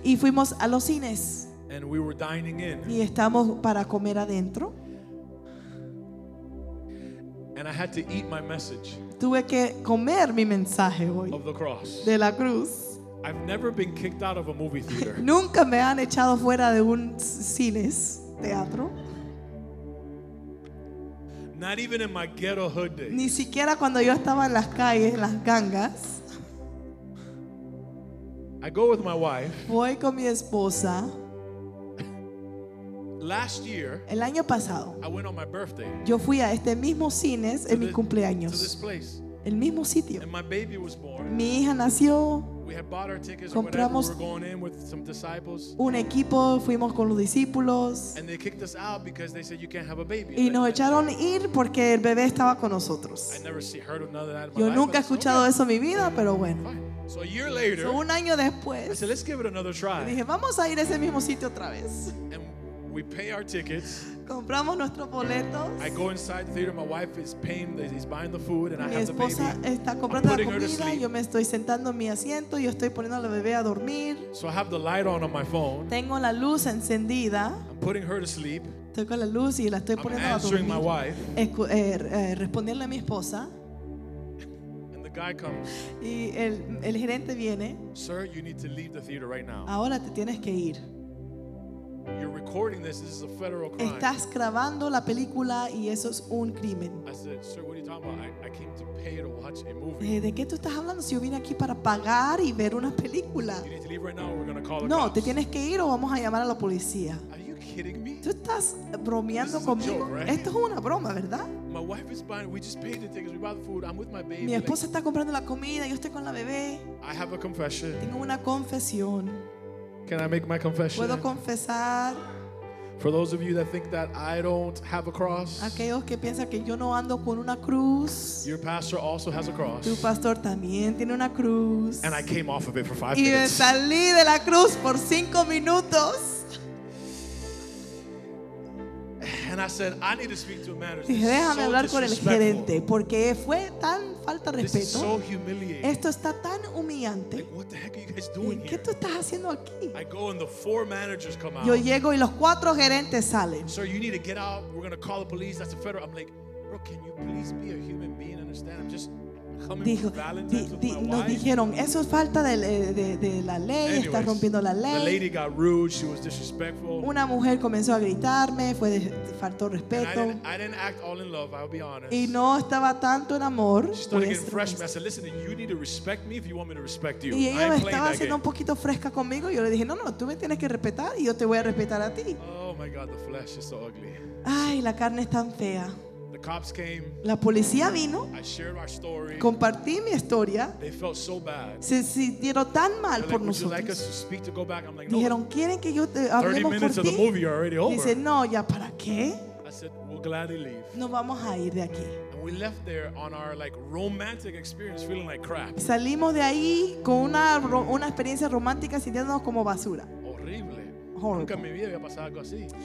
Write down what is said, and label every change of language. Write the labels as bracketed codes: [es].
[es] Y fuimos a los cines. [en] And we were dining in. [es] Y estamos para comer adentro. [en] And I had to eat my message. [es] Tuve que comer mi mensaje hoy. [en] Of the cross. [es] De la cruz. [en] I've never been kicked out of a movie theater. [es] Nunca me han echado fuera de un cine, teatro. [en] Not even in my ghetto hood days. [es] Ni siquiera cuando yo estaba en las calles, en las gangas. [en] I go with my wife. [es] Voy con mi esposa. [en] Last year, [es] el año pasado, [en] I went on my birthday. [es] Yo fui a este mismo cines en mi cumpleaños. [en] To this place. [es] El mismo sitio. [en] And my baby was born. [es] Mi hija nació. [en] We had bought our tickets. [es] Compramos [en] or whatever. We were going in with some disciples. [es] Un equipo, fuimos con los discípulos. [en] And they kicked us out because they said you can't have a baby. [es] Y nos echaron ir porque el bebé estaba con nosotros. [en] I never see, heard of none of that in my [es] Yo [en] life, [es] nunca he escuchado eso en mi vida, pero bueno. [en] So a year later, [es] un año después, [en] I said, let's give it another try. [es] Dije, vamos a ir a ese mismo sitio otra vez. [en] And we pay our tickets. [es] Compramos nuestros boletos. [en] I go inside the theater. My wife is paying. He's buying the food, and [es] mi [en] I have [es] esposa [en] the baby. [es] Está comprando la comida. Yo me estoy sentando en mi asiento. Yo estoy poniendo a la bebé a dormir. [en] So I have the light on my phone. [es] Tengo la luz encendida. [en] I'm putting her to sleep. [es] Estoy con la luz y la estoy [en] I'm [es] poniendo a dormir. [en] Answering my wife. [es] Respondiendo a mi esposa. [en] And the guy comes. [es] Y el gerente viene. [en] Sir, you need to leave the theater right now. [es] Ahora te tienes que ir. [en] You're recording this. This is a federal crime. [es] Estás grabando la película y eso es un crimen. [en] I said, sir, what are you talking about? I came to pay to watch a movie. [es] ¿De qué tú estás hablando? Si yo vine aquí para pagar y ver una película. [en] You need to leave right now or we're going to call the [es] no, [en] cops. [es] No, te tienes que ir o vamos a llamar a la policía. [en] Are you kidding me? [es] ¿Tú estás bromeando conmigo? [en] Joke, right? [es] Esto es una broma, ¿verdad? [en] My wife is buying. We just paid the tickets. We bought the food. I'm with my baby. [es] Mi esposa está comprando la comida. Yo estoy con la bebé. [en] I have a confession. [es] Tengo una confesión. [en] Can I make my confession? [es] ¿Puedo confesar? [en] For those of you that think that I don't have a cross, [es] aquellos que piensan que yo no ando con una cruz, [en] your pastor also has a cross. [es] Tu pastor también tiene una cruz. [en] And I came off of it for five [es] y [en] minutes. [es] Y salí de la cruz por cinco minutos. [en] And I said, I need to speak to a man. [es] Y déjame hablar con el gerente porque fue tan falta de respeto. [en] This is so humiliating. [es] Esto está tan humillante. [en] Like, what the heck are you guys doing [es] ¿Qué [en] here? [es] Tú estás haciendo aquí? [en] I go and the four managers come out. [es] Yo llego y los cuatro gerentes salen. [en] Sir, you need to get out. We're going to call the police. That's a federal. I'm like, bro, can you please be a human being? Understand? I'm just coming [es] Dijo, [en] with Valentine's with my [es] nos [en] wife. [es] Nos dijeron, eso es falta de la ley. [en] Anyways, [es] estás rompiendo la ley. [en] The lady got rude. She was disrespectful. [es] Una mujer comenzó a gritarme. Fue faltó respeto. [en] I didn't act all in love, I'll be honest. [es] Y no estaba tanto en amor. [en] She started getting fresh. I said, listen, you need to respect me if you want me to respect you. [es] Y ella estaba siendo un poquito fresca conmigo. Yo le dije, no, tú me tienes que respetar y yo te voy a respetar a ti. [en] Oh my God, the flesh is so ugly. [es] Ay, la carne es tan fea. [en] Cops came. [es] La policía vino. [en] I shared our story. [es] Compartí mi historia. [en] They felt so bad. [es] Se sintieron tan mal [en] like, [es] por nosotros. [en] Like to speak, to go back? I'm like, no. [es] Dijeron, ¿quieren que yo te hablemos por ti? [en] 30 minutes of the movie are already over. [es] Dice, no, ¿ya para qué? [en] I said, we'll gladly leave. [es] Nos vamos a ir de aquí. [en] And we left there on our like romantic experience feeling like crap. [es] Salimos de ahí con una experiencia romántica sintiéndonos como basura. [en] Horrible. [es] Horrible. Nunca en mi vida había pasado algo así.